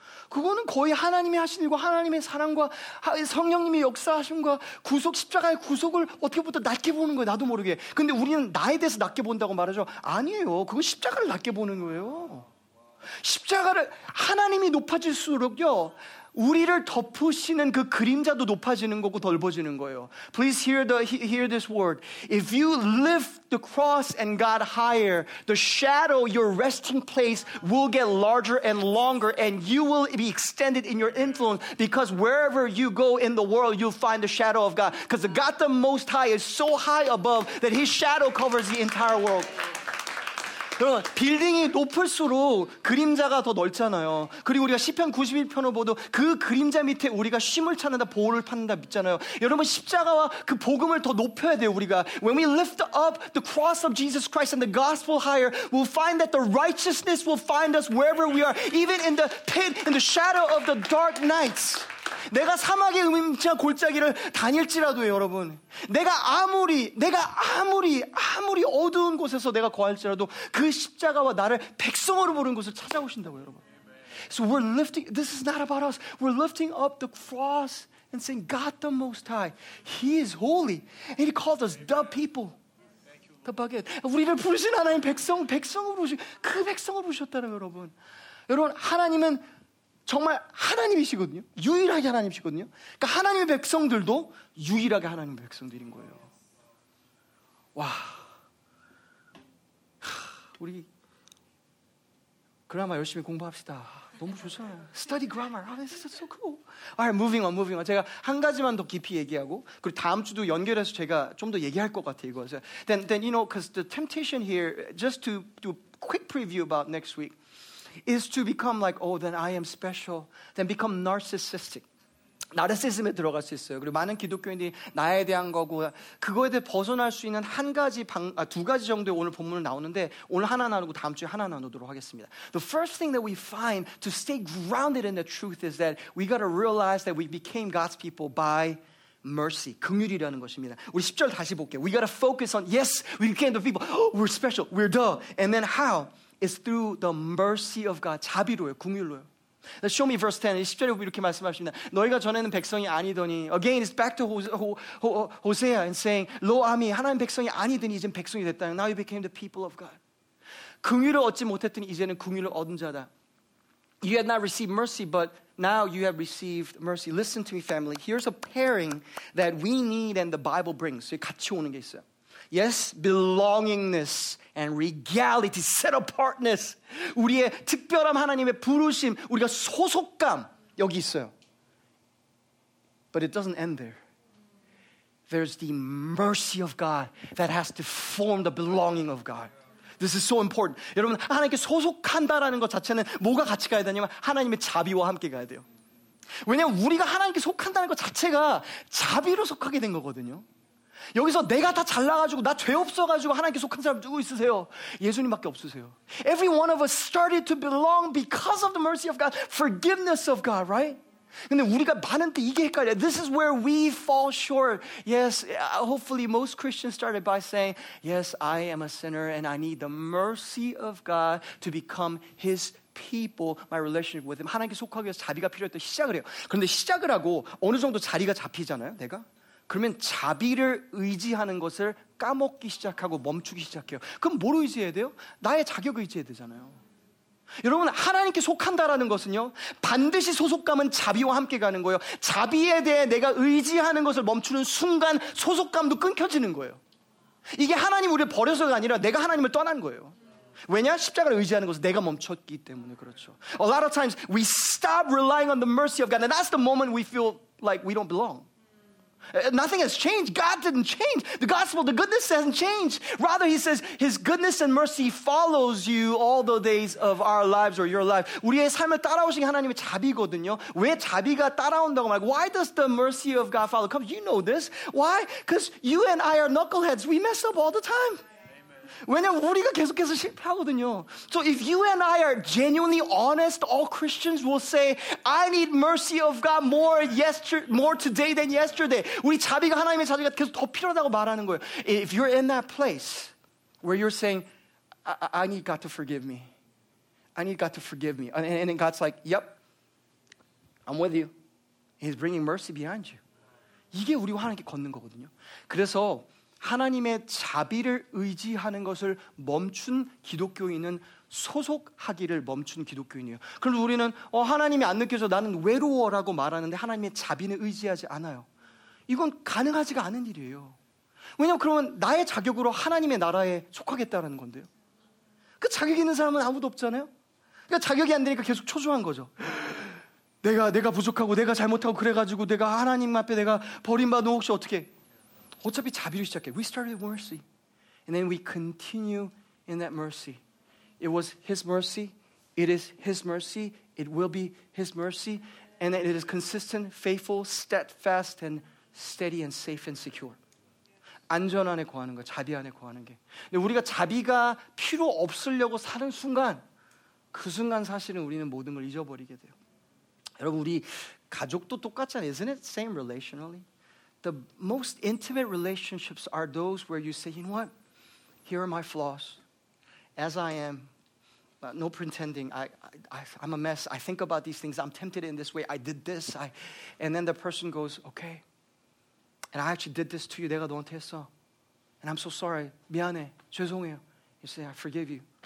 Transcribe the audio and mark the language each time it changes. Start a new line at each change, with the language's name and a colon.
Korean: 그거는 거의 하나님이 하신 일과 하나님의 사랑과 성령님이 역사하심과 구속, 십자가의 구속을 어떻게 보다 낮게 보는 거예요. 나도 모르게. 근데 우리는 나에 대해서 낮게 본다고 말하죠. 아니에요. 그건 십자가를 낮게 보는 거예요. 십자가를 하나님이 높아질수록요. 우리를 덮으시는 그 그림자도 높아지는 거고 넓어지는 거예요.
English: Please hear this word. If you lift the cross and God higher, the shadow, your resting place, will get larger and longer, and you will be extended in your influence because wherever you go in the world, you'll find the shadow of God. Because God the Most High is so high above that His shadow covers the entire world.
Korean: 여러분, 빌딩이 높을수록 그림자가 더 넓잖아요. 그리고 우리가 시편 91편을 보도 그 그림자 밑에 우리가 쉼을 찾는다, 보호를 찾는다 믿잖아요. 여러분, 십자가와 그 복음을 더 높여야 돼요, 우리가.
English: When we lift up the cross of Jesus Christ and the gospel higher, we'll find that the righteousness will find us wherever we are, even in the pit, in the shadow of the dark nights.
Korean: 내가 사막의 음침한 골짜기를 다닐지라도요, 여러분. 내가 아무리 어두운 곳에서 내가 거할지라도 그 십자가와 나를 백성으로 부른 곳을 찾아오신다고요, 여러분.
English: So we're lifting, this is not about us. We're lifting up the cross and saying, God the Most High, He is holy. And He called us the people. The bucket.
Korean: 우리를 부르신 하나님 백성으로 그 백성을 부르셨다는 거예요, 여러분. 여러분, 하나님은 정말 하나님이시거든요. 유일하게 하나님이시거든요. 그러니까 하나님의 백성들도 유일하게 하나님의 백성들인 거예요. 와. 우리 그라마 열심히 공부합시다. 너무 좋잖아요.
English: Study grammar. Oh, this is so cool. Alright, moving on.
Korean: 제가 한 가지만 더 깊이 얘기하고 그리고 다음 주도 연결해서 제가 좀 더 얘기할 것 같아요. 이거.
English: So, then you know, because the temptation here, just to do quick preview about next week, is to become like, oh, then I am special. Then become narcissistic.
Korean: 나르시즘에 들어갈 수 있어요. 그리고 많은 기독교인들이 나에 대한 거고 그거에 대해 벗어날 수 있는 한 가지 두 가지 정도의 오늘 본문을 나오는데 오늘 하나 나누고 다음 주에 하나 나누도록 하겠습니다.
English: The first thing that we find to stay grounded in the truth is that we got to realize that we became God's people by mercy,
Korean: 긍휼이라는 것입니다. 우리 10절 다시 볼게요.
English: We got to focus on, yes, we became the people. We're special. We're the. And then how? It's through the mercy of God.
Korean: 자비로요. 긍휼로요.
English: Show me verse 10.
Korean: 10절에 이렇게 말씀하십니다. 너희가 전에는 백성이 아니더니
English: Again, it's back to Hosea and saying, Lo Ami,
Korean: 하나님 백성이 아니더니 이제는 백성이 됐다.
English: Now you became the people of God.
Korean: 긍휼을 얻지 못했더니 이제는 긍휼을 얻은 자다.
English: You had not received mercy, but now you have received mercy. Listen to me, family. Here's a pairing that we need and the Bible brings.
Korean: 같이 오는 게 있어요.
English: Yes, belongingness and regality, set-apartness.
Korean: 우리의 특별함, 하나님의 부르심, 우리가 소속감 여기 있어요.
English: But it doesn't end there. There's the mercy of God that has to form the belonging of God. This is so important.
Korean: 여러분, 하나님께 소속한다라는 것 자체는 뭐가 같이 가야 되냐면 하나님의 자비와 함께 가야 돼요. 왜냐하면 우리가 하나님께 속한다는 것 자체가 자비로 속하게 된 거거든요. 여기서 내가 다 잘나가지고 나 죄 없어가지고 하나님께 속한 사람 누구 있으세요? 예수님밖에 없으세요.
English: Every one of us started to belong because of the mercy of God, forgiveness of God, right?
Korean: 근데 우리가 많은 때 이게 헷갈려.
English: This is where we fall short. Yes, hopefully most Christians started by saying, Yes, I am a sinner and I need the mercy of God to become His people, my relationship with Him.
Korean: 하나님께 속하기 위해서 자비가 필요했던 시작을 해요. 그런데 시작을 하고 어느 정도 자리가 잡히잖아요, 내가? 그러면 자비를 의지하는 것을 까먹기 시작하고 멈추기 시작해요. 그럼 뭘 의지해야 돼요? 나의 자격을 의지해야 되잖아요. 여러분, 하나님께 속한다라는 것은요, 반드시 소속감은 자비와 함께 가는 거예요. 자비에 대해 내가 의지하는 것을 멈추는 순간 소속감도 끊겨지는 거예요. 이게 하나님 우리를 버려서가 아니라 내가 하나님을 떠난 거예요. 왜냐? 십자가를 의지하는 것은 내가 멈췄기 때문에 그렇죠.
English: A lot of times we stop relying on the mercy of God and that's the moment we feel like we don't belong. Nothing has changed. God didn't change. The gospel, the goodness hasn't changed. Rather, he says, his goodness and mercy follows you all the days of our lives or your life.
Korean: 우리의 삶을 따라오신 하나님의 자비거든요. 왜 자비가 따라온다고 말해?
English: Why does the mercy of God follow? Come, you know this. Why? Because you and I are knuckleheads. We mess up all the time.
Korean: 왜냐면 우리가 계속해서 실패하거든요.
English: So if you and I are genuinely honest, all Christians will say, I need mercy of God more today than yesterday.
Korean: 우리 자비가 하나님의 자비가 계속 더 필요하다고 말하는 거예요.
English: If you're in that place where you're saying, I need God to forgive me. I need God to forgive me. And then God's like, yep, I'm with you. He's bringing mercy behind you.
Korean: 이게 우리와 하나님께 걷는 거거든요. 그래서 하나님의 자비를 의지하는 것을 멈춘 기독교인은 소속하기를 멈춘 기독교인이에요. 그런데 우리는 하나님이 안 느껴져 나는 외로워라고 말하는데 하나님의 자비는 의지하지 않아요. 이건 가능하지가 않은 일이에요. 왜냐하면 그러면 나의 자격으로 하나님의 나라에 속하겠다라는 건데요. 그 자격이 있는 사람은 아무도 없잖아요. 그러니까 자격이 안 되니까 계속 초조한 거죠. 내가 부족하고 내가 잘못하고 그래가지고 내가 하나님 앞에 내가 버림받은 혹시 어떻게 어차피 자비를 시작해.
English: We started with mercy. And then we continue in that mercy. It was His mercy. It is His mercy. It will be His mercy. And it is consistent, faithful, steadfast, and steady, and safe, and secure.
Korean: 안전 안에 구하는 거, 자비 안에 구하는 게. 근데 우리가 자비가 필요 없으려고 사는 순간, 그 순간 사실은 우리는 모든 걸 잊어버리게 돼요. 여러분 우리 가족도 똑같잖아요.
English: Isn't it the same relationally? The most intimate relationships are those where you say, you know what? Here are my flaws. As I am, no pretending. I'm a mess. I think about these things. I'm tempted in this way. I did this. And then the person goes, okay. And I actually did this to you.
Korean: 내가 너한테 했어.
English: And I'm so sorry.
Korean: 미안해. 죄송해요.
English: You say, I forgive you.